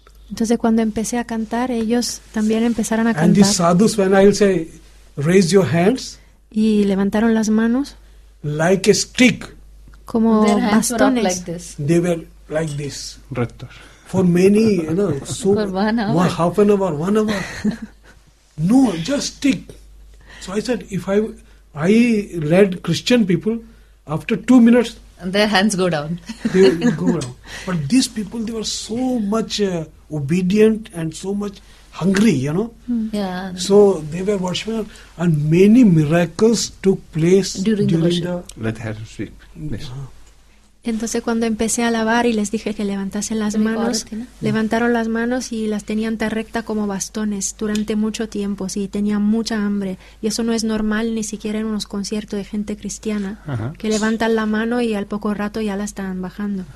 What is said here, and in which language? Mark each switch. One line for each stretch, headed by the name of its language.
Spanish: Entonces cuando empecé a cantar, ellos también empezaron a cantar.
English: And these sadhus, when I will say, raise your hands.
Spanish: Y levantaron las manos.
English: Like a stick.
Spanish: Como
English: their
Spanish: bastones.
English: Hands were up like this. They were like this. Rector. For many, you know, so for 1 hour. Half an hour, 1 hour. No, just stick. So I said, if I led Christian people, after 2 minutes. And their hands go down. They go down. But these people, they were so much obedient and so much hungry, you know. Yeah. So they were worshiping, and many miracles took place during the let her speak.
Spanish: Entonces cuando empecé a alabar y les dije que levantasen las manos, levantaron las manos y las tenían tan recta como bastones durante mucho tiempo, sí, tenían mucha hambre. Y eso no es normal ni siquiera en unos conciertos de gente cristiana, que levantan la mano y al poco rato ya la están bajando.